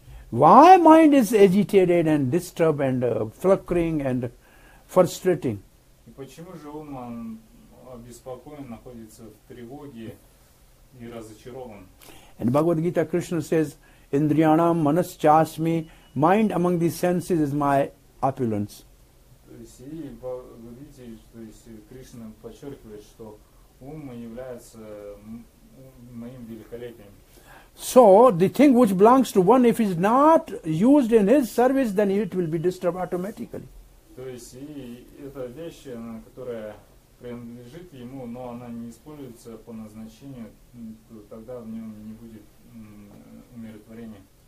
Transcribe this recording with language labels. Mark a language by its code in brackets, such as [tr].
[en] Why mind is agitated and disturbed and flickering and frustrating? [ru] И почему же ум он обеспокоен, находится в тревоге и разочарован. [en] And Bhagavad Gita Krishna says, [sa] Indriyanam manas chasmi, [en] mind among the senses is my opulence. [ru] То есть, и вы видите, то есть Кришна подчеркивает, что ум является моим великолепием. [en] So the thing which belongs to one, if it is not used in his service, then it will be disturbed automatically. [ru] То есть, и эта вещь, она, которая принадлежит ему, но она не используется по назначению, то тогда в нем не будет умиротворения.